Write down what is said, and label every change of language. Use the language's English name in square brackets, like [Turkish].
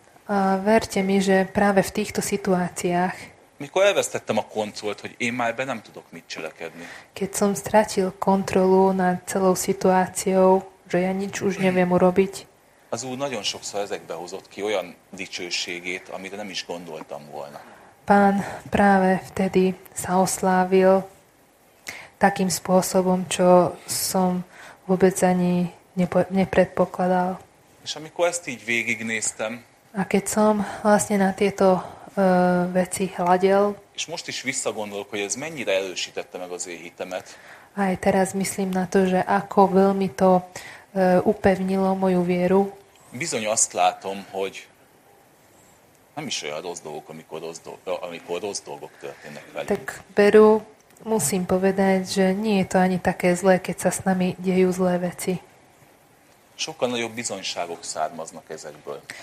[Slovak] A verte mi, že práve v týchto situáciách. [Hungarian] Mikor elvesztettem a kontrollt, hogy én már be nem tudok mit cselekedni. [Slovak] Keď som stratil kontrolu nad celou situáciou, že ja nič už neviem urobiť. [Hungarian] Az Úr nagyon sokszor ezekbe hozott ki olyan dicsőségét, amire nem is gondoltam volna. [Slovak] Pán práve vtedy sa oslávil takým spôsobom, čo som vôbec ani nepredpokladal. [Hungarian] És amikor ezt így végignéztem, [Slovak] a keď som vlastne na tieto veci hľadel, [Hungarian] és most is visszagondolok, hogy ez mennyire erősítette meg az én hitemet, [Slovak] aj teraz myslím na to, že ako veľmi to upevnilo moju vieru, [Hungarian] bizony azt látom, hogy nem is olyan rossz dolgok, amikor rossz dolgok történnek velünk. [Slovak] Tak beru, musím povedať, že nie je to ani také zlé, keď sa s nami dejú zlé veci. [Hungarian] Sokkal nagyobb bizonyságok származnak ezekből.